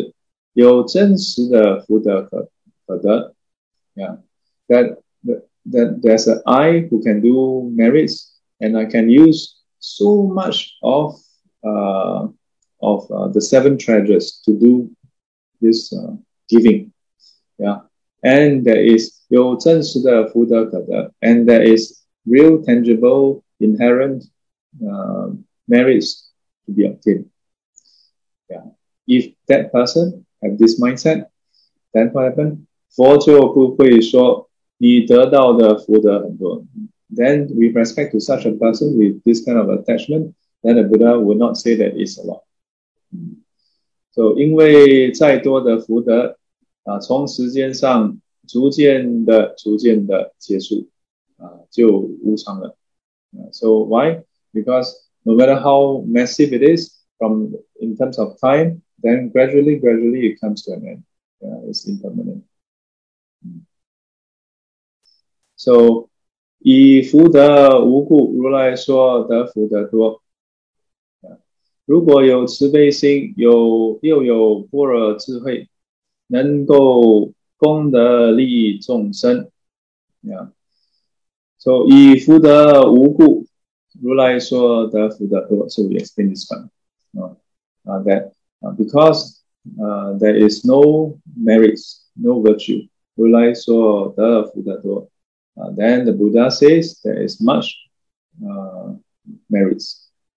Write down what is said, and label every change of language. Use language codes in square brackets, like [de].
[zh] 我能用三千大千世界的七宝布施，有真实的福德可得。 [en] Yeah, that there's an I who can do merits, and I can use so much of the seven treasures to do this giving. Yeah, and there is [zh] 有真实的福德可得, [en] and there is real tangible inherent merits to be obtained. Yeah, if that person have this mindset, then what happened? [zh] 佛就不会说你得到的福德很多. [en] Then with respect to such a person with this kind of attachment, then the Buddha would not say that it's a lot. [zh] So 因为再多的福德, 从时间上逐渐的结束, 就无常了. [en] So why? Because no matter how massive it is from in terms of time, then gradually it comes to an end. It's impermanent. [zh] So, 以福德无故，如来说得福德多。如果有慈悲心，又有般若智慧， 能够功德利益众生。 So, 以福德无故，如来说得福德多。 [en] So, we explain this one. That because there is no merits, no virtue. [zh] Rulai so dala fudato. [en] Then the Buddha says there is much merits.